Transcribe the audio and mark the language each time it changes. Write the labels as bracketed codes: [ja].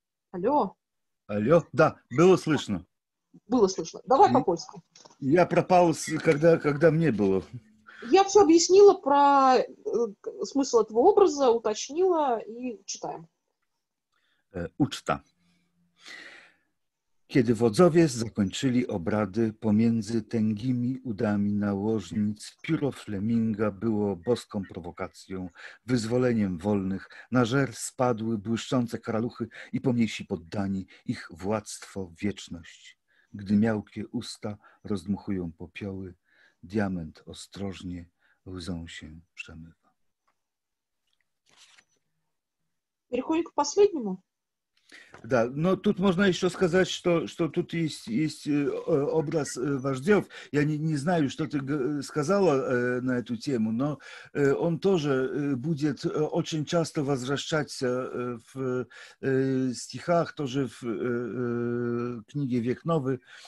[ru] Алло? Алло, да, было слышно. Было слышно. Давай по-польски. Я пропал, когда мне было. Я все объяснила про смысл этого образа, уточнила и читаем. Учта. [pl] kiedy wodzowie zakończyli obrady, pomiędzy tęgimi udami nałożnic pióro Fleminga było boską prowokacją, wyzwoleniem wolnych, na żer spadły błyszczące kraluchy i pomniejsi poddani, ich władztwo wieczność. Gdy miałkie usta rozdmuchują popioły, diament ostrożnie łzą się przemywa. [ru] Переходим к последнему. Да, но тут можно еще сказать, что тут есть образ вождев. Я не знаю, что ты сказала на эту тему, но он тоже будет очень часто возвращаться в стихах, тоже в книге «Век новый».